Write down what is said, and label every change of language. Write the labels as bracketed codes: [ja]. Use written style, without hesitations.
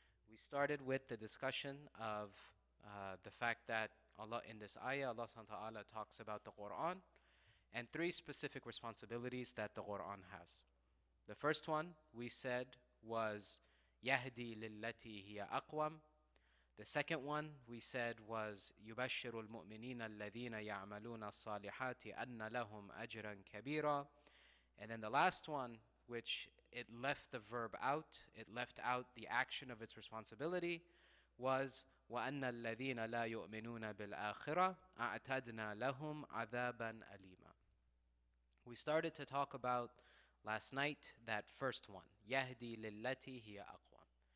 [en] We started with the discussion of the fact that Allah in this ayah, Allah subhanahu wa ta'ala talks about the Qur'an and three specific responsibilities that the Qur'an has. The first one we said was [ar] يَهْدِي لِلَّتِي هِيَ أَقْوَمْ. [en] The second one we said was [ar] يُبَشِّرُ الْمُؤْمِنِينَ الَّذِينَ يَعْمَلُونَ الصَّالِحَاتِ أَنَّ لَهُمْ أَجْرًا كَبِيرًا. [en] And then the last one, which it left the verb out, it left out the action of its responsibility, was [ar] وَأَنَّ الَّذِينَ لَا يُؤْمِنُونَ بِالْآخِرَةِ أَعْتَدْنَا لَهُمْ عَذَابًا أَلِيمًا. [en] We started to talk about last night that first one, [ar] يَهْدِي لِلَّتِي هِيَ أَقْوَمْ.